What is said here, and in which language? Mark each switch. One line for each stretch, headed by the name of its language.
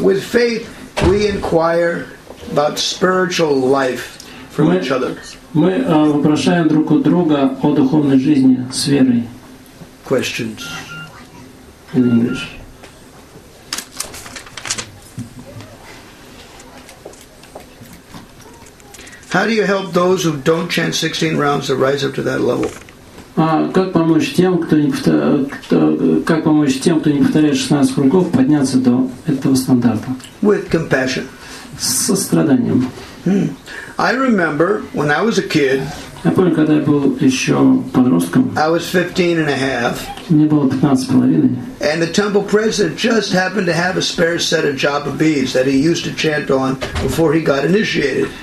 English: With faith, we inquire about spiritual life from each other.
Russian: Мы вопрошаем друг у друга о духовной жизни с верой.
English: Questions in English. How do you help those who don't chant 16 rounds to rise up to that level?
Russian: Как помочь тем, кто не повторяет 16 кругов, подняться до этого стандарта?
English: With compassion.
Russian: Состраданием.
English: I remember when I was a kid.
Russian: Я помню, когда я был еще подростком.
English: I was 15 and a half.
Russian: Мне было 15.5.
English: And the temple president just happened to have a spare set of japa beads that he used to chant on before he got initiated.